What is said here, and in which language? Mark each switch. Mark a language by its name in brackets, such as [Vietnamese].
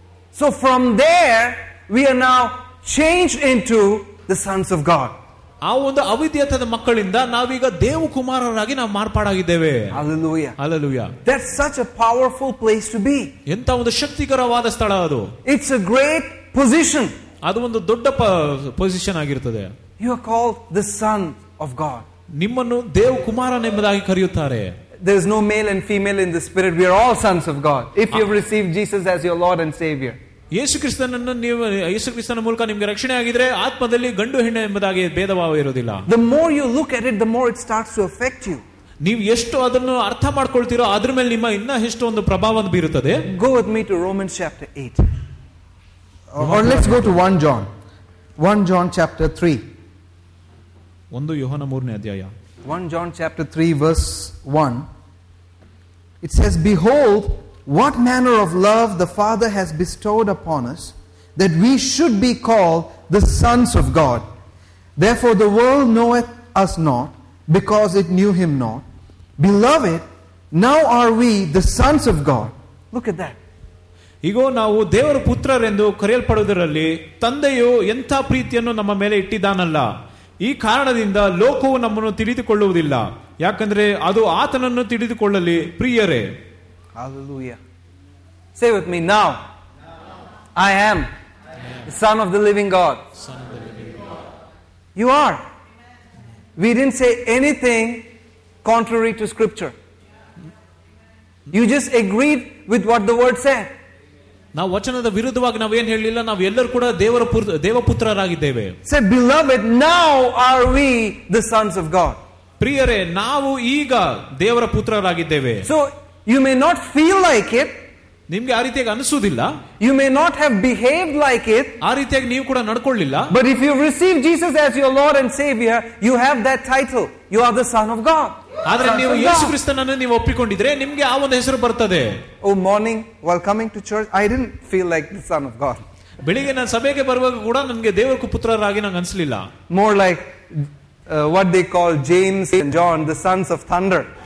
[English] So from there, we are now changed into the sons of God. [Kannada] ಆ ಒಂದು ಅವಿದ್ಯತದ ಮಕ್ಕಳಿಂದ ನಾವೀಗ ದೇವ ಕುಮಾರರಾಗಿ ನಾವು ಮಾರ್ಪಾಡಾಗಿದ್ದೇವೆ [English] Hallelujah. Hallelujah. That's such a powerful place to be. [Kannada] ಎಂತ ಒಂದು ಶಕ್ತಿಕರವಾದ ಸ್ಥಳ ಅದು. [English] It's a great position. [Kannada] ಅದು ಒಂದು ದೊಡ್ಡ ಪೊಸಿಷನ್ ಆಗಿರುತ್ತದೆ. [English] You are called the son of God. [Kannada] ನಿಮ್ಮನ್ನು ದೇವ ಕುಮಾರನೆಂಬುದಾಗಿ ಕರೆಯುತ್ತಾರೆ. [English] There is no male and female in the spirit. We are all sons of God. If you have received Jesus as your Lord and Savior. [Kannada] ಯೇಸು ಕ್ರಿಸ್ತನನ್ನು ನೀವು ಯೇಸು ಕ್ರಿಸ್ತನ ಮೂಲಕ ನಿಮಗೆ ರಕ್ಷಣೆ ಆಗಿದ್ರೆ ಆತ್ಮದಲ್ಲಿ ಗಂಡು ಹೆಣ್ಣು ಎಂಬುದಾಗಿ ಭೇದ ಭಾವ ಇರುವುದಿಲ್ಲ [English] the more you look at it the more it starts to affect you [Kannada] ನೀವು ಎಷ್ಟು ಅದನ್ನು ಅರ್ಥ ಮಾಡ್ಕೊಳ್ತೀರೋ ಅದ್ರ ಮೇಲೆ ನಿಮ್ಮ ಇನ್ನೂ ಎಷ್ಟು ಒಂದು ಪ್ರಭಾವ ಬೀರುತ್ತದೆ [English] go with me to Romans chapter 8 or let's go to 1 John 1 John chapter 3 [Kannada] ಒಂದು ಯೋಹಾನ ಮೂರನೇ ಅಧ್ಯಾಯ [English] 1 John chapter 3 verse 1 it says behold What manner of love the Father has bestowed upon us that we should be called the sons of God. Therefore the world knoweth us not because it knew him not. Beloved, now are we the sons of God. Look at that. [Kannada] ಈಗ ನಾವು ದೇವರ ಪುತ್ರರೆಂದು ಕರೆಯಲ್ಪಡುವುದರಲ್ಲಿ ತಂದೆಯು ಎಂಥ ಪ್ರೀತಿಯನ್ನು ನಮ್ಮ ಮೇಲೆ ಇಟ್ಟಿದ್ದಾನಲ್ಲ ಈ ಕಾರಣದಿಂದ ಲೋಕವು ನಮ್ಮನ್ನು ತಿಳಿದುಕೊಳ್ಳುವುದಿಲ್ಲ ಯಾಕಂದ್ರೆ ಅದು ಆತನನ್ನು ತಿಳಿದುಕೊಳ್ಳಲಿ ಪ್ರಿಯರೇ [English] Hallelujah. Say with me, now I am the Son of the Living God. Son of the Living God. You are. We didn't say anything contrary to Scripture. You just agreed with what the Word said. [Kannada] ನಾವು ವಚನದ ವಿರುದ್ಧವಾಗಿ ನಾವೇನ್ ಹೇಳಲಿಲ್ಲ ನಾವು ಎಲ್ಲರೂ ಕೂಡ ದೇವಪುತ್ರರಾಗಿದ್ದೇವೆ [English] Say, beloved, now are we the sons of God. [Kannada] ಪ್ರಿಯರೇ ನಾವು ಈಗ ದೇವರ ಪುತ್ರರಾಗಿದ್ದೇವೆ [English] So, You may not feel like it. [Kannada] ನಿಮಗೆ ಆ ರೀತಿಯಾಗಿ ಅನಿಸುವುದಿಲ್ಲ. [English] You may not have behaved like it. [Kannada] ಆ ರೀತಿಯಾಗಿ ನೀವು ಕೂಡ ನಡ್ಕೊಳ್ಳಿಲ್ಲ. [English] But if you receive Jesus as your Lord and Savior, you have that title. You are the Son of God. [Kannada] ಆದರೆ ನೀವು ಯೇಸು ಕ್ರಿಸ್ತನನ್ನು ನೀವು ಒಪ್ಪಿಕೊಂಡಿದ್ರೆ ನಿಮಗೆ ಆ ಒಂದು ಹೆಸರು ಬರುತ್ತದೆ. [English] Oh, morning while coming to church, I didn't feel like the Son of God. [Kannada] ಬೆಳಿಗ್ಗೆ ನಾನು ಸಭೆಗೆ ಬರುವಾಗ ಕೂಡ ನನಗೆ ದೇವರ ಪುತ್ರರಾಗಿ ನನಗೆ ಅನಿಸಲಿಲ್ಲ. [English] More like what they call James and John, the sons of thunder.